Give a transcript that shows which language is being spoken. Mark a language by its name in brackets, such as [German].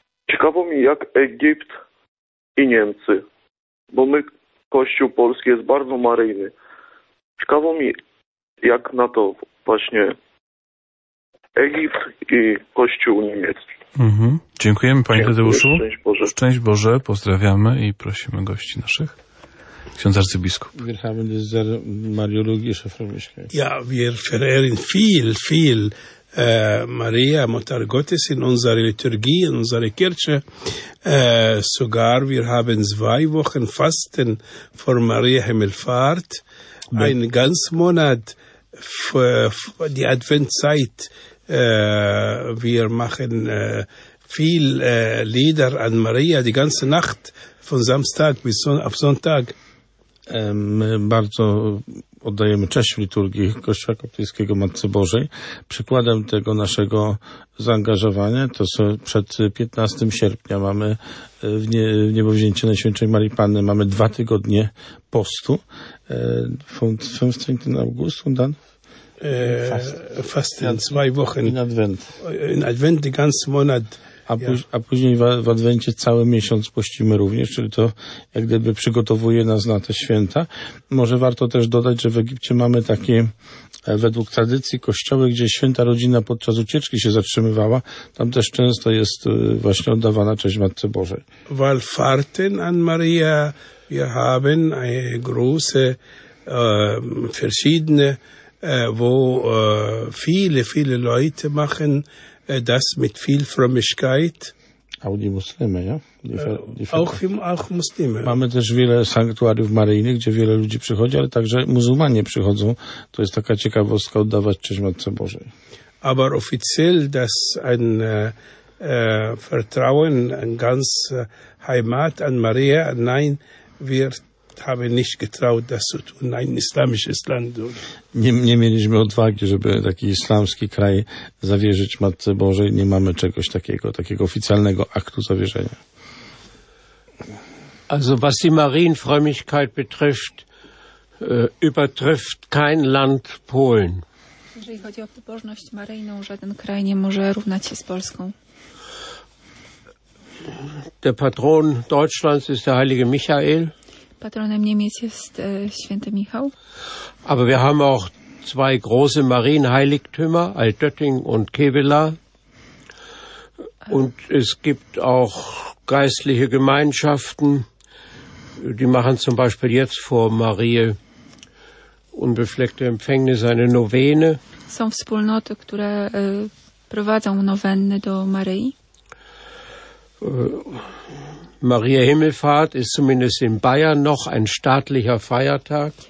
[Polish] Ciekawo mi, jak Egipt i Niemcy, bo my, Kościół Polski jest bardzo maryjny. Ciekawo mi, jak na to właśnie Egipt i Kościół Niemiecki. Mhm. Dziękujemy panie Tadeuszu. Szczęść Boże. Pozdrawiamy i prosimy gości naszych. Ksiądz arcybiskup. [German] Wir haben dieser Mariologische Frömmigkeit. Ja, wir verehren viel Maria, Mutter Gottes in unserer Liturgie, in unserer Kirche. Sogar wir haben 2 Wochen Fasten vor Maria Himmelfahrt. Ja. Ein ganz Monat für die Adventzeit. Wir machen viel Lieder an Maria die ganze Nacht von Samstag bis auf Sonntag. [Polish] My bardzo oddajemy cześć liturgii Kościoła Katolickiego Matce Bożej. Przykładem tego naszego zaangażowania to przed 15 sierpnia mamy w niebowzięcie Najświętszej Marii Panny, mamy 2 tygodnie postu. [German] Fünfzehnten August und dann fasten 2 Wochen. In Advent. In Advent die ganze Monat. [Polish] A później w Adwencie cały miesiąc pościmy również, czyli to jak gdyby przygotowuje nas na te święta. Może warto też dodać, że w Egipcie mamy takie według tradycji kościoły, gdzie święta rodzina podczas ucieczki się zatrzymywała. Tam też często jest właśnie oddawana cześć Matce Bożej. [German] Wallfahrten an Maria, wir haben eine große, verschiedene, wo viele, viele Leute machen, das mit viel Frömmigkeit. Auch die Muslime, ja? Auch Muslime. [Polish] Mamy też wiele sanktuariów maryjnych, gdzie wiele ludzi przychodzi, ale także muzułmanie przychodzą. To jest taka ciekawostka oddawać cześć Matce Bożej. [German] Aber offiziell, dass ein Vertrauen, ein ganz Heimat an Maria, nein, wir haben nicht getraut, das zu tun, ein islamisches Land. [Polish] Nie mieliśmy odwagi, żeby taki islamski kraj zawierzyć Matce Bożej. Nie mamy czegoś takiego oficjalnego aktu zawierzenia. [German] Also was die Marienfrömmigkeit betrifft, übertrifft kein Land Polen. [Polish] Jeżeli chodzi o pobożność maryjną, żaden kraj nie może równać się z Polską. [German] Der Patron Deutschlands ist der heilige Michael. [Polish] Patronem Niemiec jest Święty Michał. [German] Aber wir haben auch 2 große Marienheiligtümer, Altötting und Kevela. Und es gibt auch geistliche Gemeinschaften, die machen zum Beispiel jetzt vor Marie unbefleckte Empfängnis eine Novene. [Polish] Są wspólnoty, które prowadzą nowenny do Maryi. [German] Maria Himmelfahrt ist zumindest in Bayern noch ein staatlicher Feiertag.